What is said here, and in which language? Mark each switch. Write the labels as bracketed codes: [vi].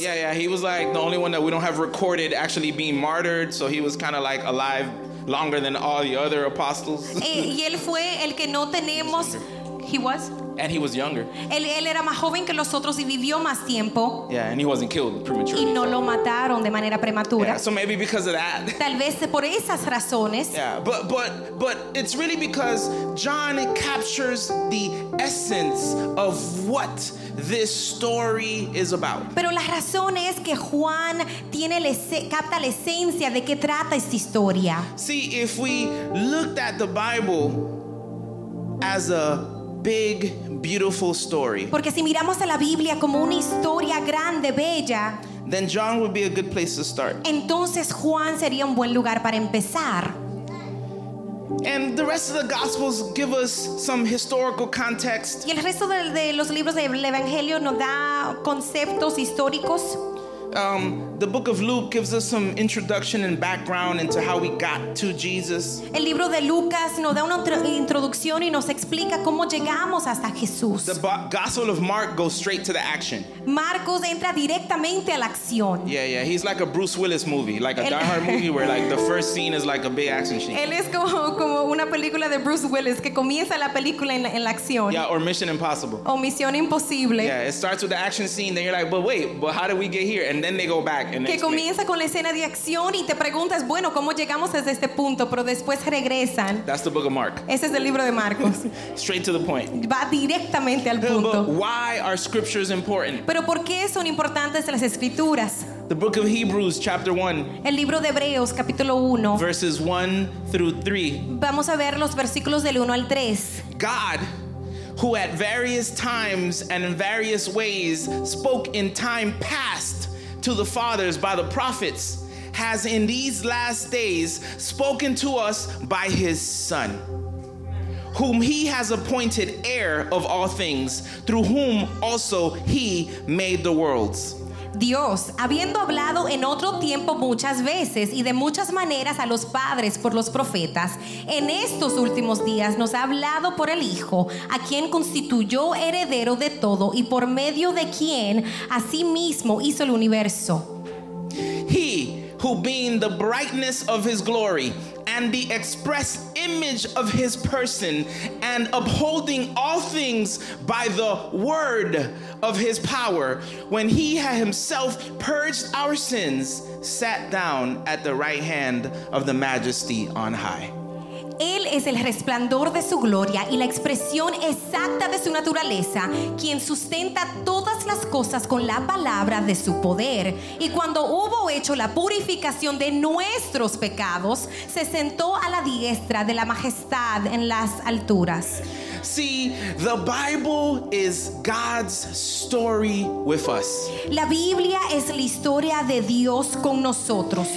[en] Yeah, he was like the only one that we don't have recorded actually being martyred, so he was kind of like alive longer than all the other apostles. [es] Y él fue el que no tenemos [en] He was? And he was younger. [es] Él era más joven que los otros y vivió más tiempo. [en] Yeah, and he wasn't killed prematurely. [es] Y no lo mataron de manera prematura. [en] Yeah, so maybe because of that. [es] Tal vez por esas razones. [en] Yeah, but it's really because John captures the essence of what this story is about. [es] Pero la razón es que Juan tiene capta la esencia de qué trata esta historia. [en] See, if we looked at the Bible as a big, beautiful story. [es] Porque si miramos a la Biblia como una historia grande, bella, [en] then John would be a good place to start. [es] Entonces Juan sería un buen lugar para empezar. [en] And the rest of the Gospels give us some historical context. [es] Y el resto de los libros del Evangelio nos da conceptos históricos. [en] The book of Luke gives us some introduction and background into how we got to Jesus. [es] El libro de Lucas nos da una introducción y nos explica cómo llegamos hasta Jesús. [en] The Gospel of Mark goes straight to the action. [es] Marcos entra directamente a la acción. [en] Yeah, yeah, he's like a Bruce Willis movie, like a Die Hard movie where like the first scene is like a big action scene. [es] Él es como una película de Bruce Willis que comienza la película en la acción. [en] Yeah, or Mission Impossible. [es] O Misión Imposible. [en] Yeah, it starts with the action scene, then you're like, but wait, but how did we get here? And then they go back. And [es] que comienza con la escena de acción y te preguntas, bueno, ¿cómo llegamos desde este punto? Pero después regresan. [en] That's the book of Mark. [es] Ese es el libro de Marcos. [en] Straight to the point. [es] Va directamente al punto. [en] But why are scriptures important? [es] Pero ¿por qué son importantes las escrituras? [en] The book of Hebrews, chapter 1. [es] El libro de Hebreos, capítulo 1. [en] Verses 1 through 3. [es] Vamos a ver los versículos del 1 al 3. [en] God, who at various times and in various ways spoke in time past to the fathers by the prophets, has in these last days spoken to us by his Son, whom he has appointed heir of all things, through whom also he made the worlds. [es] Dios, habiendo hablado en otro tiempo muchas veces y de muchas maneras a los padres por los profetas, en estos últimos días nos ha hablado por el Hijo, a quien constituyó heredero de todo y por medio de quien asimismo hizo el universo. [en] He, who being the brightness of his glory and the express image of his person and upholding all things by the word of his power, when he had himself purged our sins, sat down at the right hand of the majesty on high. [es] Él es el resplandor de su gloria y la expresión exacta de su naturaleza, quien sustenta todas las cosas con la palabra de su poder. Y cuando hubo hecho la purificación de nuestros pecados, se sentó a la diestra de la majestad en las alturas. [en] See, the Bible is God's story with us. [es] La Biblia es la historia de Dios con nosotros.